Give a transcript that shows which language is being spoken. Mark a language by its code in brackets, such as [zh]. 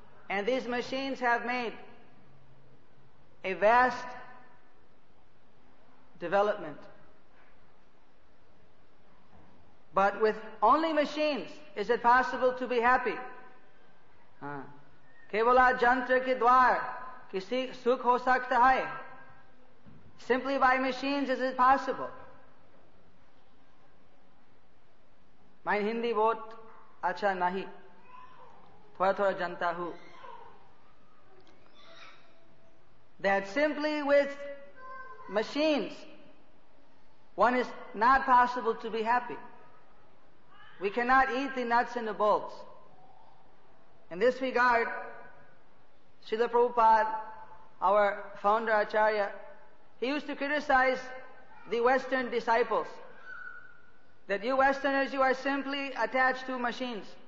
[en] And these machines have made a vast development. But with only machines, is it possible to be happy? [hi] केवल जंत्र की द्वार किसी सुख हो सकता है। [en] Simply by machines, is it possible? My [hi] Hindi बहुत अच्छा नहीं। थोड़ा थोड़ा जानता हूँ। [en] That simply with machines, one is not possible to be happy. We cannot eat the nuts and the bolts. In this regard, Srila Prabhupada, our founder Acharya, he used to criticize the Western disciples that you Westerners, you are simply attached to machines.